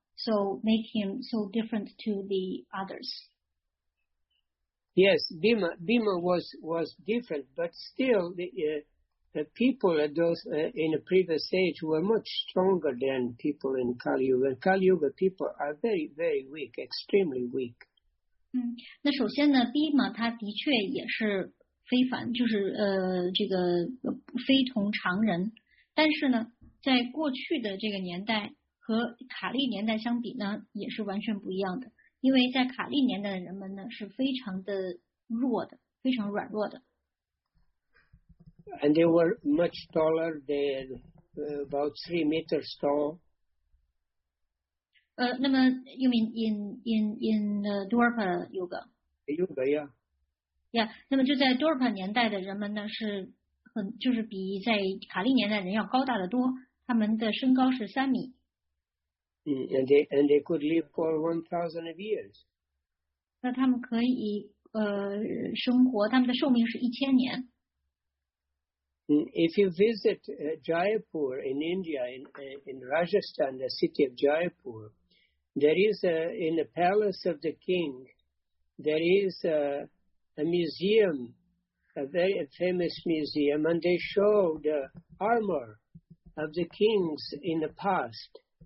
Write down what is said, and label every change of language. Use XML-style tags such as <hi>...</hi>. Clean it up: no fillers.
<en>So make him so different to the others. Yes, Bhima was different. But still, the people at those in a previous age were much stronger than people in Kali Yuga. Kali Yuga people are very, very weak, extremely weak.</en> <zh>嗯，那首先呢，比玛他的确也是非凡，就是这个非同常人。但是呢，在过去的这个年代和卡利年代相比呢，也是完全不一样的。因为在卡利年代的人们呢，是非常的弱的，非常软弱的。</zh> <en>And they were much taller. They were about 3 meters tall. You mean in the Dwarpa Yuga? Yuga, yeah. Yeah.</en> <zh>那么就在 Dwarpa 年代的人们呢，是很就是比在卡利年代人要高大的多。他们的身高是3米。</zh> <en>And they could live for 1,000 years.</en> <zh>那他们可以生活，他们的寿命是1000年。</zh> <en>If you visit Jaipur in India, in Rajasthan, the city of Jaipur, there is in the palace of the king, there is a museum a very famous museum, and they showed armor of the kings in the past.</en>